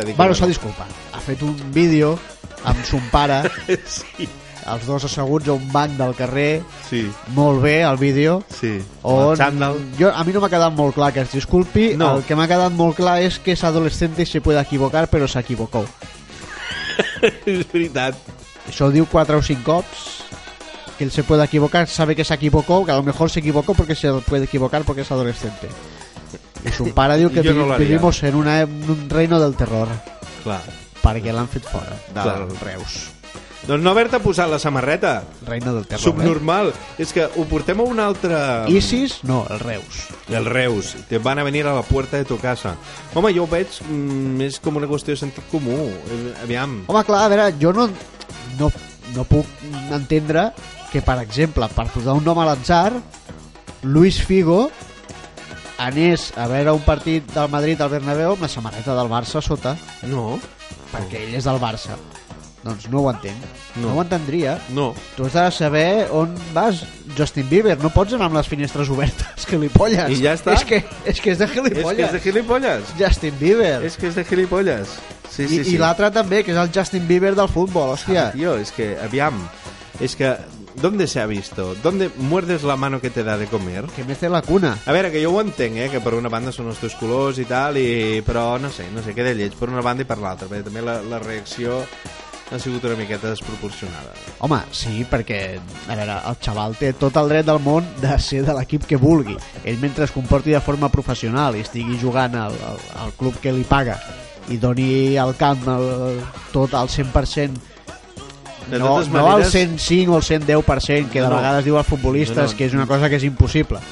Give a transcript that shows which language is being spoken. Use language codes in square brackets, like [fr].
[ca] Ha fet un vídeo amb son pare. Sí. Els dos asseguts a un banc del carrer. Sí. Molt bé, el vídeo. Sí. A mi no m'ha quedat molt clar que es disculpi. No. El que m'ha quedat molt clar és que és adolescente i [es] se puede equivocar, [ca] però s'equivocó. És veritat. Això ho diu 4 o 5 cops. [es] Que él se puede equivocar, sabe que se equivocó, que a lo mejor se equivocó porque se puede equivocar porque es adolescente. Y su [ca] pare diu [es] que vivimos en un reino del terror. [ca] Clar. Perquè l'han fet fora del Reus. Doncs no haver-te posat la samarreta. [es] Reino del terror. Subnormal. [ca] És que ho portem a un altre... Isis? No, el Reus. El Reus. [es] Te van a venir a la puerta de tu casa. [ca] Home, jo ho veig més com una qüestió de sentit comú. Aviam. Home, clar, a veure, jo no puc entendre que, per exemple, per posar un nom a l'atzar, Luis Figo anés a veure un partit del Madrid al Bernabéu amb la samarreta del Barça a sota. No. Perquè ell és del Barça. Doncs no ho entenc. No, no ho entendria. No. Tu has de saber on vas, Justin Bieber. No pots anar amb les finestres obertes, gilipolles. I ja està. És que és de gilipolles. És que és de gilipolles. Justin Bieber. És que és de gilipolles. Sí, I, sí, sí. I l'altre també, que és el Justin Bieber del futbol, hòstia. Ah, tio, és que, aviam, és que... [es] ¿Dónde se ha visto? ¿Dónde muerdes la mano que te da de comer? Que me hace la cuna. [ca] A veure, que jo ho entenc, eh? Que per una banda són els teus colors i tal, i... però no sé, queda lleig per una banda i per l'altra, perquè també la reacció ha sigut una miqueta desproporcionada. Home, sí, perquè, a veure, el xaval té tot el dret del món de ser de l'equip que vulgui. Ell, mentre es comporti de forma professional i estigui jugant al club que li paga i doni al camp tot al 100%, no el 105 o el 110%, que de vegades diu als futbolistes que és una cosa que és impossible.